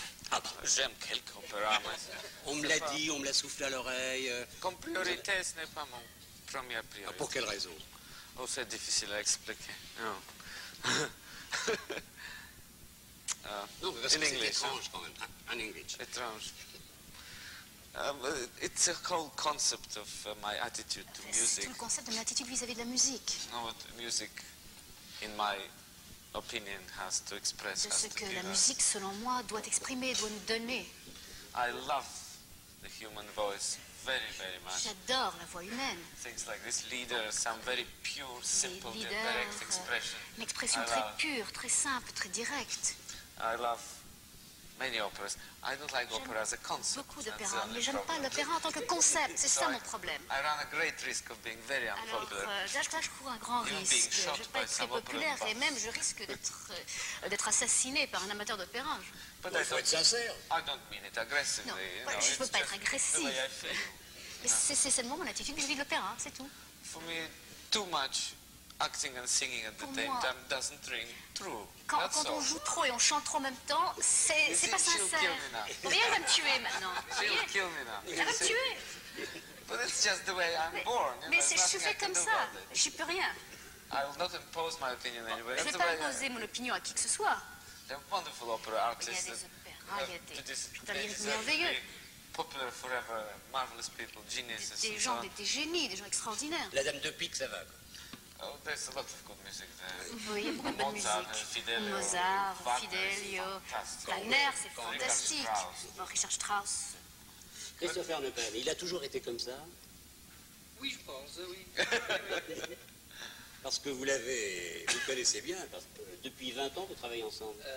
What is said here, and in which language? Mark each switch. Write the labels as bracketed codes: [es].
[fr] Ah bah. J'aime quelques opéras, mais... On me l'a dit, on me l'a soufflé à l'oreille. Comme priorité, ce n'est pas mon première priorité. Ah, pour quelle raison? Oh, c'est difficile à expliquer. Non. Non, mais parce que c'est étrange quand même. En anglais. Étrange. [en] It's a whole concept of my attitude to music. [fr] C'est tout le concept de mon attitude vis-à-vis de la musique. [en] No, music, in my opinion, has to express. [fr] De ce que la musique, selon moi, doit exprimer, doit nous donner. [en] I love the human voice very, very much. [fr] J'adore la voix humaine. [en] Things like this leader, some very pure, simple, direct expression. [fr] Une expression très pure, très simple, très directe. [en] I love. Many operas. I don't like opera as a concept. [fr] Beaucoup d'opéras, mais j'aime pas l'opéra en tant que concept. C'est ça mon problème. [en] I run a great risk of being very unpopular. [fr] Alors, je cours un grand risque. Je ne vais pas être très populaire et même je risque d'être assassiné par un amateur d'opéra. Mais il faut être sincère. [en] I don't mean it aggressively. [fr] Non, je ne veux pas être agressif. Mais c'est seulement mon attitude vis-à-vis de l'opéra, c'est tout. [en] For me, too much acting and singing at the same time doesn't ring true. [fr] Quand on joue trop et on chante trop en même temps, c'est pas sincère. Mais elle va me tuer maintenant. [en] She'll kill me now. [fr] Elle va me tuer. [en] But it's just the way I'm born. [fr] Mais je suis fait comme ça. J'y peux rien. [en] I will not impose my opinion anyway. [fr] Je ne vais pas imposer mon opinion à qui que ce soit. [en] There are wonderful opera artists. [fr] Il y a des opéras, il y a des merveilleux. [en] Popular forever, marvelous people, geniuses. [fr] Des génies, des gens extraordinaires. La Dame de Pique, ça va. [en] Oh, there's a lot of good music there. [fr] Oui, il y a beaucoup de bonne musique. Fidelio, Mozart, Fidelio, Wagner, c'est fantastique. Richard Strauss. Christopher Nepal, il a toujours été comme ça? Oui, je pense, oui. Parce que vous connaissez bien, parce que depuis 20 ans, vous travaillez ensemble.